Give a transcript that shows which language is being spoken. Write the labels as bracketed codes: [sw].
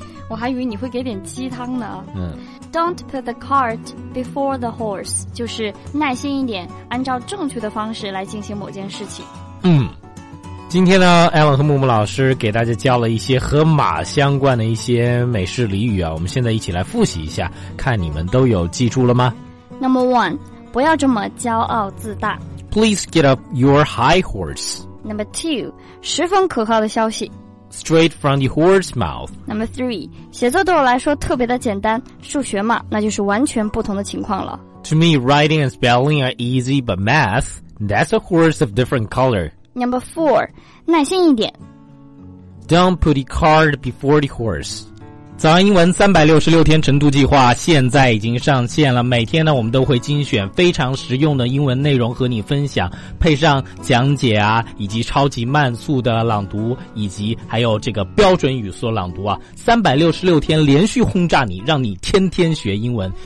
[zh] 我还以为你会给点鸡汤呢。 [en] Don't put the cart before the horse， [zh] 就是耐心一点，按照正确的方式来进行某件事情。今天呢 ，Alan 和木木老师给大家教了一些和马相关的一些美式俚语啊，我们现在一起来复习一下，看你们都有记住了吗？ [en] Number one， [zh] 不要这么骄傲自大。 [en] Please get off your high horse. Number two, [zh] 十分可靠的消息。 [en] Straight from the horse mouth. Number three, [zh] 写作对我来说特别的简单，数学嘛，那就是完全不同的情况了。 [en] To me, writing and spelling are easy, but math, that's a horse of different color. Number four, [zh] 耐心一点。 [en] Don't put the cart before the horse. [zh] 早安英文366天晨读计划现在已经上线了，每天呢我们都会精选非常实用的英文内容和你分享，配上讲解啊，以及超级慢速的朗读，以及还有这个标准语速朗读啊，366天连续轰炸你，让你天天学英文。